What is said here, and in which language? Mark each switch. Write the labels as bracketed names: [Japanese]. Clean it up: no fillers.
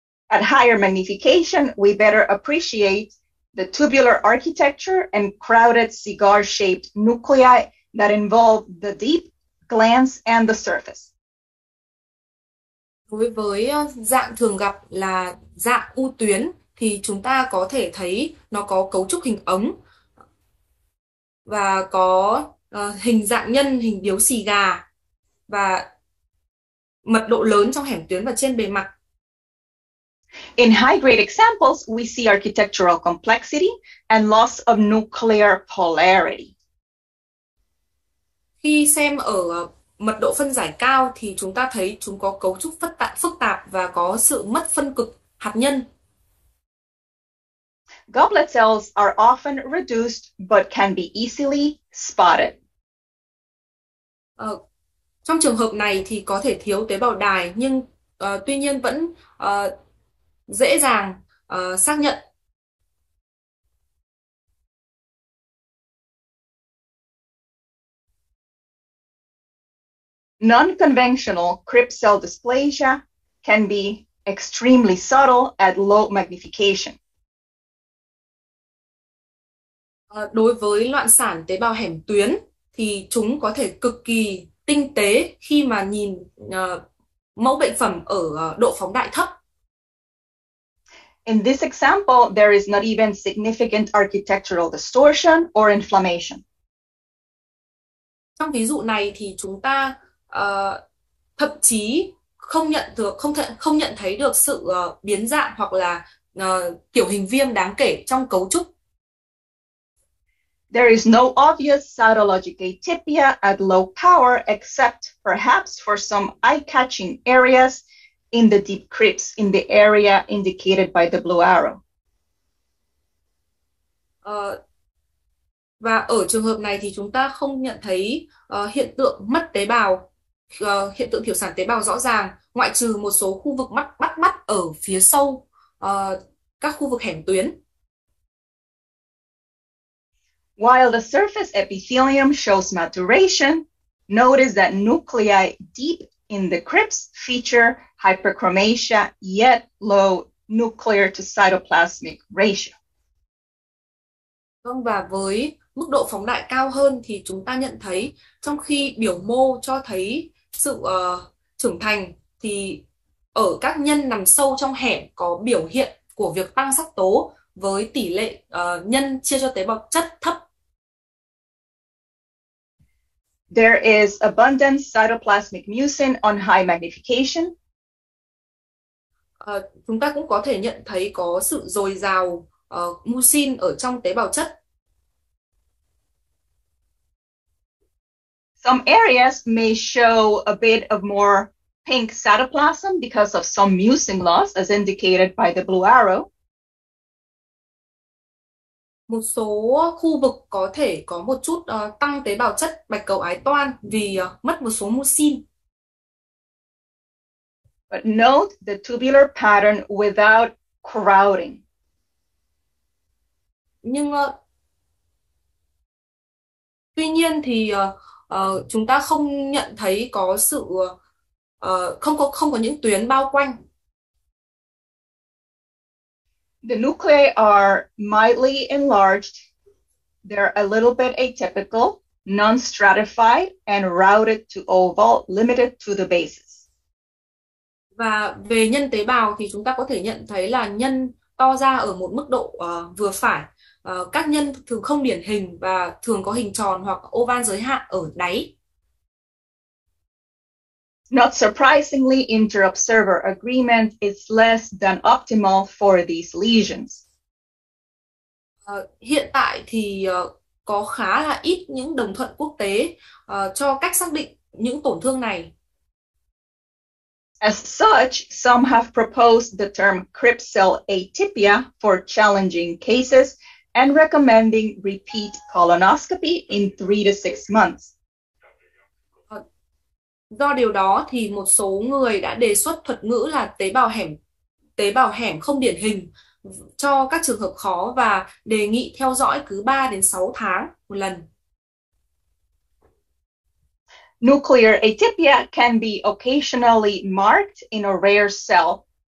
[English] At higher magnification, we better appreciate the tubular architecture and crowded cigar-shaped nuclei that involve the deep glands and the surface. [Vietnamese] Với dạng thường gặp là dạng u tuyến thì chúng ta có thể thấy nó có cấu trúc hình ống và có hình dạng nhân, hình điếu xì gà và mật độ lớn trong hẻm tuyến và trên bề mặt. [English] In high-grade examples, we see architectural complexity and loss of nuclear polarity. [Vietnamese] Khi xem ở mật độ phân giải cao thì chúng ta thấy chúng có cấu trúc phức tạp và có sự mất phân cực hạt nhân. [English] Goblet cells are often reduced but can be easily spotted. [Vietnamese] Trong trường hợp này thì có thể thiếu tế bào đài nhưng tuy nhiên vẫn dễ dàng xác nhận. [English] Non-conventional crypt cell dysplasia can be extremely subtle at low magnification. [Vietnamese] Đối với loạn sản tế bào hẻm tuyến thì chúng có thể cực kỳ tinh tế khi mà nhìn mẫu bệnh phẩm ở độ phóng đại thấp. [English] In this example, there is not even significant architectural distortion or inflammation. [Vietnamese] Trong ví dụ này thì chúng ta thậm chí không nhận thấy được sự biến dạng hoặc là kiểu hình viêm đáng kể trong cấu trúc. [English] There is no obvious cytologic atypia at low power except perhaps for some eye-catching areas in the deep crypts in the area indicated by the blue arrow. [Vietnamese] Và ở trường hợp này thì chúng ta không nhận thấy hiện tượng mất tế bào, hiện tượng thiểu sản tế bào rõ ràng, ngoại trừ một số khu vực bắt mắt ở phía sâu các khu vực hẻm tuyến. [English] While the surface epithelium shows maturation, notice that nuclei deep in the crypts feature hyperchromasia, yet low nuclear to cytoplasmic ratio. [Vietnamese] Vâng, và với mức độ phóng đại cao hơn thì chúng ta nhận thấy trong khi biểu mô cho thấy sự trưởng thành thì ở các nhân nằm sâu trong hẻm có biểu hiện của việc tăng sắc tố với tỷ lệ nhân chia cho tế bào chất thấp. [English] There is abundant cytoplasmic mucin on high magnification. [Vietnamese] Chúng ta cũng có thể nhận thấy có sự dồi dào mucin ở trong tế bào chất. [English] Some areas may show a bit of more pink cytoplasm because of some mucin loss, as indicated by the blue arrow. [Vietnamese] Một số khu vực có thể có một chút tăng tế bào chất bạch cầu ái toan vì mất một số mucin. [English] But note the tubular pattern without crowding. [Vietnamese] Nhưng tuy nhiên thì chúng ta không nhận thấy có sự không có những tuyến bao quanh. [English] The nuclei are mildly enlarged. They're a little bit atypical, non-stratified, and routed to oval, limited to the bases. [Vietnamese] Và về nhân tế bào thì chúng ta có thể nhận thấy là nhân to ra ở một mức độ vừa phải. Các nhân thường không điển hình và thường có hình tròn hoặc oval giới hạn ở đáy. [English] Not surprisingly, inter-observer agreement is less than optimal for these lesions. [Vietnamese] Hiện tại thì có khá là ít những đồng thuận quốc tế cho cách xác định những tổn thương này. [English] As such, some have proposed the term crypt cell atypia for challenging cases and recommending repeat colonoscopy in 3 to 6 months. [Vietnamese] Do điều đó thì một số người đã đề xuất thuật ngữ là tế bào hẻm không điển hình cho các trường hợp khó và đề nghị theo dõi cứ 3 đến 6 tháng một lần. [English] Nuclear atypia can be occasionally marked in a rare cell.